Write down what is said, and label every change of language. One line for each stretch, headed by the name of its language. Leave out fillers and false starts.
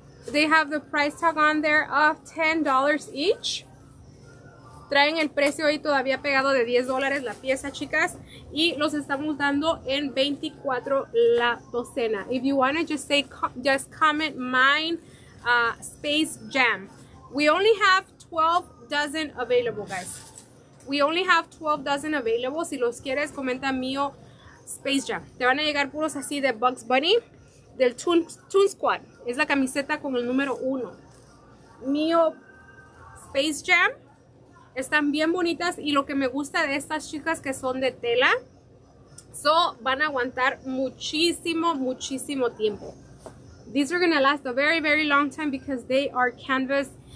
English: They have the price tag on there of $10 each.
Spanish: Traen el precio ahí todavía pegado de $10 la pieza, chicas. Y los estamos dando en 24 la docena.
English: If you want to just say, just comment mine. Space Jam. We only have 12 dozen available, guys. We only have 12 dozen available.
Spanish: Si los quieres, comenta mío
English: Space Jam.
Spanish: Te van a llegar puros así de Bugs Bunny del Toon Squad. Es la camiseta con el número 1. Mío Space Jam. Están bien bonitas y lo que me gusta de estas chicas que son de tela, so van a aguantar muchísimo, muchísimo tiempo.
English: These are going to last a very, very long time because they are canvas.